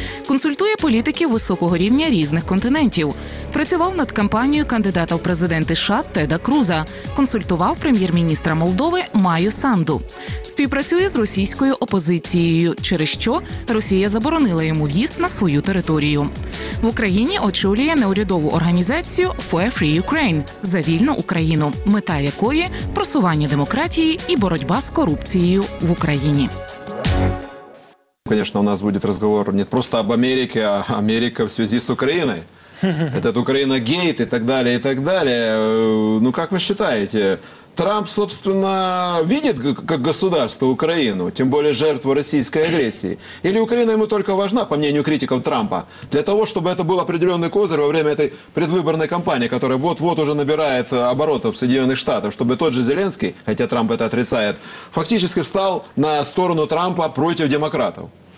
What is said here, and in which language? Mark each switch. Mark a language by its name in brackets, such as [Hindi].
[Ukrainian] Консультує політиків високого рівня різних континентів. Працював над кампанією кандидата в президенти США Теда Круза. Консультував прем'єр-міністра Молдови Майю Санду. Співпрацює з російською опозицією, через що Росія заборонила йому в'їзд на свою територію. В Україні очолює неурядову організацію «Fair Free Ukraine» – «За вільну Україну», мета якої – просування демократії і боротьба з корупцією в Україні. Звісно, у нас буде розмова не просто об Америці, а Америка в зв'язі з Україною. [Russian] Этот Украина-гейт и так далее, и так далее. Ну, как вы считаете, Трамп, собственно, видит как государство Украину, тем более жертву российской агрессии? Или Украина ему только важна, по мнению критиков Трампа, для того, чтобы это был определенный козырь во время этой предвыборной кампании, которая вот-вот уже набирает оборотов в Соединенных Штатах, чтобы тот же Зеленский, хотя Трамп это отрицает, фактически встал на сторону Трампа против демократов?